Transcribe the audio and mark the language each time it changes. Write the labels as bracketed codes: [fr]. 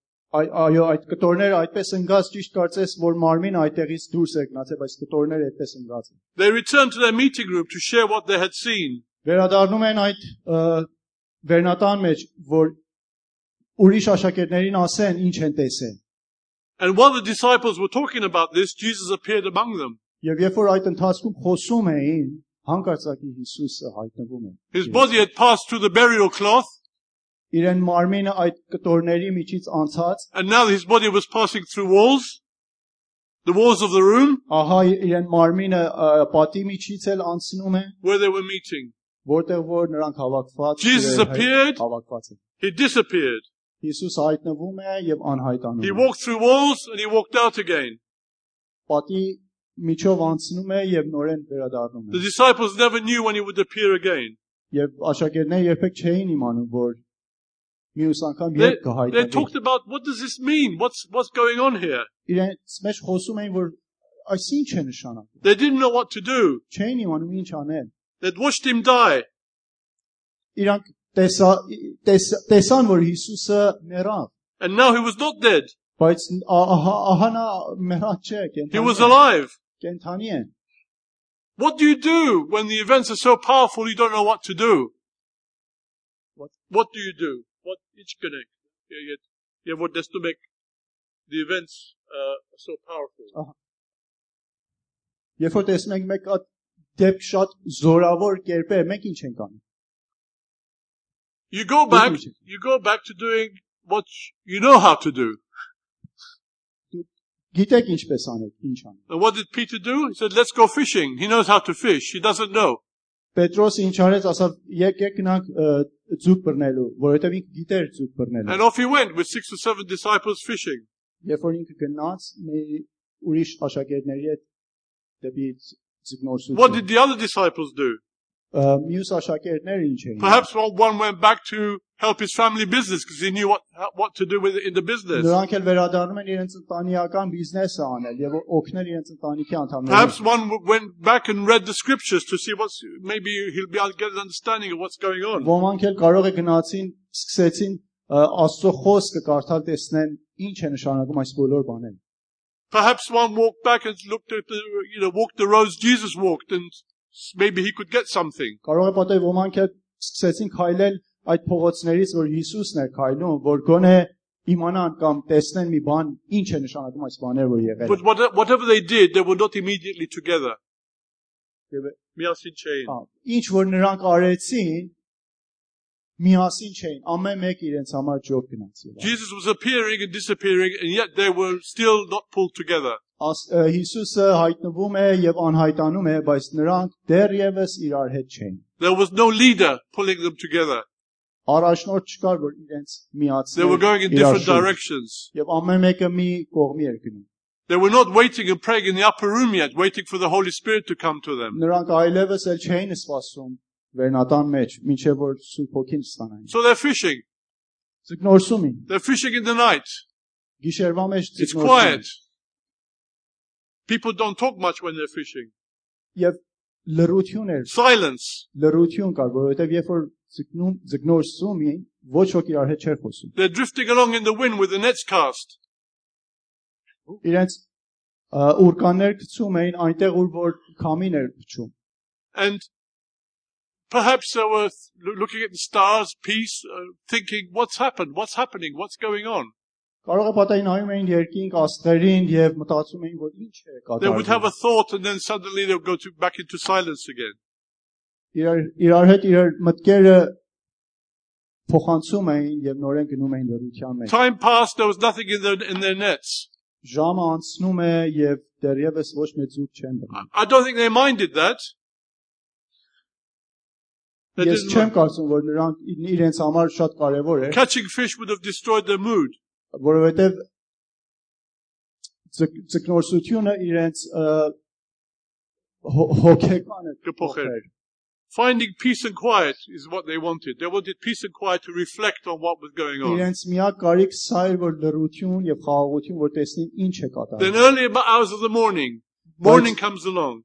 [hy] Այդ կտորները այդպես ընկած, ճիշտ կարծես, որ մարմինը այդտեղից դուրս է գնացել, բայց կտորները այդպես ընկած են։ [en] They returned to their meeting group to share what they had seen. [hy] Վերադառնում են այդ վերնատան մեջ, որ ուրիշ աշակերտներին ասեն, ինչ են տեսել։ [en] And while the disciples were talking about this, Jesus appeared among them. [hy] Եվ երբ որ այդ ընթացքում խոսում էին, Հանկարծակի Հիսուսը հայտնվում է։ [en] His body had passed through the burial cloth. [hy] Իրեն մարմինը այդ կտորների միջից անցած։ [en] And now his body was passing through walls. The walls of the room. [hy] Ահա իրեն մարմինը պատի միջից էլ անցնում է։ [en] Where they were meeting. [hy] Որտեղ որ նրանք հավաքված էին։ [en] Jesus appeared. [hy] Հավաքված էին։ [en] He disappeared. [hy] Հիսուս հայտնվում է եւ անհայտանում է։ [en] He walked through walls and he walked out again. [hy] Պատի միջով անցնում է եւ նորեն վերադառնում է։ [en] The disciples never knew when he would appear again. [hy] Եվ աշակերտները երբեք չէին իմանում, որ մյուս անգամ երբ կհայտնի։ [en] They talked about what does this mean? What's going on here? [hy] Իրենց մեջ խոսում էին, որ այս ինչ է նշանակում։ [en] They didn't know what to do. [hy] Չէին իմանում ինչ անեն։ [en] They'd watched him die. [hy] Իրանք տեսան, որ Հիսուսը մեռավ։ [en] And now he was not dead. [hy] Բայց ահա նա մեռած չէ, կենթանի է։ [en] He was alive. [hy] Կենթանի է։ [en] What do you do when the events are so powerful you don't know what to do? What do you do? What each connect? Yeah, what does to make the events are so powerful? [hy] Երբ որ տեսնում ենք մեկ հատ դեպ շատ զորավոր կերպ է, մենք ինչ ենք անում։ [en] You go back to doing what you know how to do. [hy] Գիտեք ինչպես անել, ինչ անել։ [en] What did Peter do? He said, "Let's go fishing." He knows how to fish. He doesn't know. [hy] Պետրոս ինչ արեց, ասավ, եկեք գնանք ձուկ բռնելու, որովհետև ինքը գիտեր ձուկ բռնելու։ [en] And off he went with 6 or 7 disciples fishing. [hy] Եվ որ ինքը գնաց մի ուրիշ աշակերտների հետ դեպի ձկնորսություն։ [en] What did the other disciples do? [hy] Մյուս աշակերտները ինչ էին։ [en] Perhaps one went back to help his family business because he knew what to do with it in the business. [hy] Նրանք էլ վերադառնում են իրենց ընտանիական բիզնեսը անել եւ օգնել իրենց ընտանիքի անդամներին։ [en] Perhaps one went back and read the scriptures to see what's maybe he'll be able to get an understanding of what's going on. [hy] Ոմանք էլ կարող է գնացին, սկսեցին Աստծո խոսքը կարդալ, տեսնեն ինչ է նշանակում այս բոլոր բաները։ [en] Perhaps one walked back and looked at the walked the roads Jesus walked and maybe he could get something. [hy] Կարող է պատահի ոմանք էլ սկսեցին քայլել այդ փողոցներից, որ Հիսուսն էր քայլում, որ գոնե իմանան կամ տեսնեն մի բան, ինչ է նշանակում այս բաները, որ եղել է. [en] But whatever they did, they were not immediately together. [hy] Միասին չէին. Ինչ որ նրանք արեցին, միասին չէին. Ամեն մեկ իրենց համար ջոկ գնաց եղավ. [en] Jesus was appearing and disappearing, and yet they were still not pulled together. [hy] Աս Հիսուսը հայտնվում է եւ անհայտանում է, բայց նրանք դեռևս իրար հետ չէին. [en] There was no leader pulling them together. [hy] Առաջնորդ չկար, որ իրենց միացնի. [en] They were going in different directions. [hy] Եվ ամեն մեկը մի կողմի էր գնում. [en] They were not waiting and praying in the upper room yet, waiting for the Holy Spirit to come to them. [hy] Նրանք այլևս էլ չէին սպասում վերնատան մեջ, մինչև որ Սուրբ Հոգին ստանային. [en] So they're fishing. [hy] Զգնորսում են. [en] They're fishing in the night. [hy] Գիշերվա մեջ ծիծաղում են. [en] It's quiet. People don't talk much when they're fishing. [hy] Եվ լռություն էր. [en] Silence. [hy] Լռություն կար, որովհետև երբ որ զգնորսում են, ոչ ոք իրար հետ չէր խոսում. [en] They're drifting along in the wind with the nets cast. [hy] Իրենց ուրկաներ գցում էին այնտեղ, ուր որ քամին էր փչում. [en] And perhaps they were looking at the stars, peace, thinking, what's happened? What's happening? What's going on? [hy] Կարող է պատային նայում էին երկին աստղերին եւ մտածում էին, որ ինչ է կատարվում։ [en] They would have a thought and then suddenly they'll go back into silence again. [hy] Իրար հետ իրար մտքերը փոխանցում էին եւ նորեն գնում էին լռության մեջ։ [en] Time passed, there was nothing in their nets. [hy] Ժամը անցնում է եւ դեռևս ոչ մի ձուկ չեն բռնում։ [en] I don't think they minded that. [hy] Ես չեմ կարծում, որ նրանք իրենց համար շատ կարեւոր է։ [en] Catching fish would have destroyed their mood. [hy] Որովհետեւ ցկնորսությունը իրենց հոգեկանը կփոխեր։ [en] Finding peace and quiet is what they wanted. They wanted peace and quiet to reflect on what was going on. [hy] Իրենց միակ կարիք սայր որ լռություն եւ խաղաղություն, որ տեսնեն ինչ է կատարվում։ [en] Then early about hours of the morning, morning comes along.